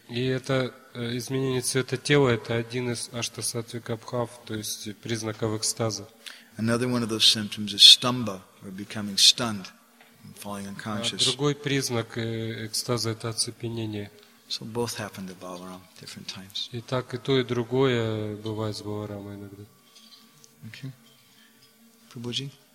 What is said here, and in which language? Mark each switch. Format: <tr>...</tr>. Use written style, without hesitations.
<ru>И это изменение цвета тела это один из аштасаттвика бхав, то есть признаков экстаза.</ru> <en>Another one of those symptoms is stumbha, or becoming stunned. Falling unconscious.</en> <ru>Другой признак экстаза это оцепенение.</ru> <en>So both happen to Balaram different times.</en> <ru>И так и то и другое бывает с Баларамой иногда.</ru> <en>Okay. Прабхуджи.</en>